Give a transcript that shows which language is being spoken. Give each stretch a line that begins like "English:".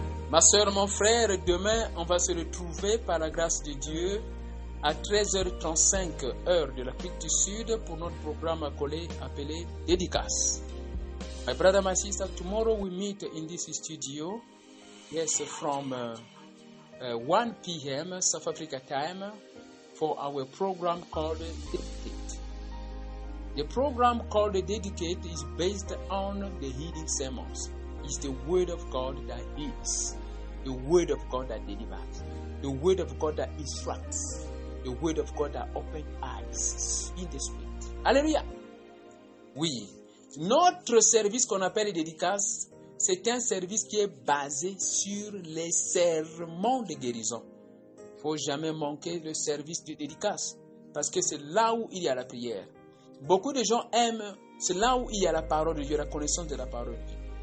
French: Ma sœur, mon frère, demain, on va se retrouver par la grâce de Dieu à 13h35, heure de l'Afrique du Sud, pour notre programme appelé Dédicace.
English: My brother, my sister, tomorrow we meet in this studio. Yes, from 1 p.m. South Africa time for our program called Dedicate. The program called Dedicate is based on the healing sermons. It's the word of God that heals, the word of God that delivers, the word of God that instructs, the word of God that opens eyes in the spirit. Alléluia!
French: Oui, notre service qu'on appelle Dédicace, c'est un service qui est basé sur les sermons de guérison. Il ne faut jamais manquer le service de Dédicace, parce que c'est là où il y a la prière. Beaucoup de gens aiment, c'est là où il y a la parole de Dieu, la connaissance de la parole de Dieu.